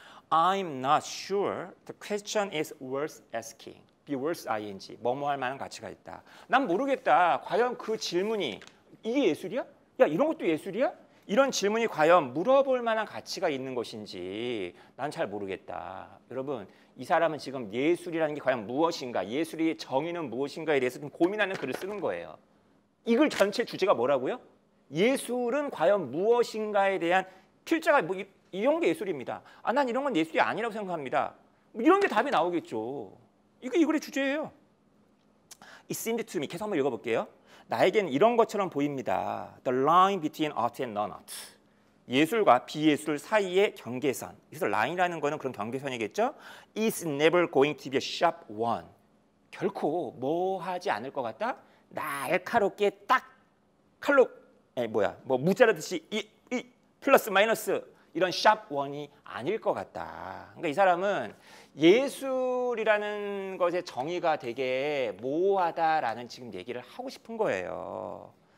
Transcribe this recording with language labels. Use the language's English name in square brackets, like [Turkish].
[English] I'm not sure the question is worth asking. Be worth ing. [Korean] 뭐뭐 할 만한 가치가 있다. 난 모르겠다. 과연 그 질문이 이게 예술이야? 야, 이런 것도 예술이야? 이런 질문이 과연 물어볼 만한 가치가 있는 것인지 난잘 모르겠다. 여러분, 이 사람은 지금 예술이라는 게 과연 무엇인가, 예술의 정의는 무엇인가에 대해서 좀 고민하는 글을 쓰는 거예요. 이글 전체 주제가 뭐라고요? 예술은 과연 무엇인가에 대한 필자가 뭐 이런 게 예술입니다. 아, 난 이런 건 예술이 아니라고 생각합니다. 뭐 이런 게 답이 나오겠죠. 이게 이 글의 주제예요. [English] It seemed to me. [Korean] 계속 한번 읽어볼게요. 나에겐 이런 것처럼 보입니다. [English] The line between art and non-art. [Korean] 예술과 비예술 사이의 경계선. 그래서 라인이라는 거는 그런 경계선이겠죠? [English] It's never going to be a sharp one. [Korean] 결코 뭐 하지 않을 것 같다? 날카롭게 딱 칼로, 에 뭐야, 뭐 무자르듯이 이 플러스 마이너스 이런 sharp one이 아닐 것 같다. 그러니까 이 사람은 예술이라는 것의 정의가 되게 모호하다라는 지금 얘기를 하고 싶은 거예요.